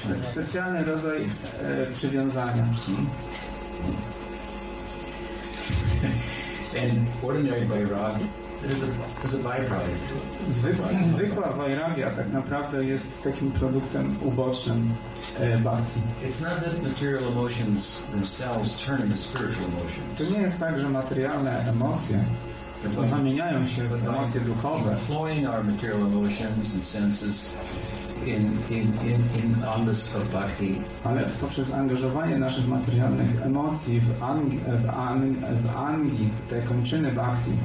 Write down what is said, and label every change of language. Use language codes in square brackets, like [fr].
[pl] Specjalny rodzaj przywiązania. [en] And ordinary vairag is a byproduct. [pl] Zwykła vairagya tak naprawdę jest takim produktem ubocznym bhakti. [en] It's not that material emotions themselves turn into spiritual emotions. [pl] To nie jest tak, że materialne emocje zamieniają się w emocje duchowe. [en] Employing our material emotions and senses, in angus of bhakti. [pl] Ale poprzez angażowanie naszych materialnych emocji w angi, w te kończyny bhakti,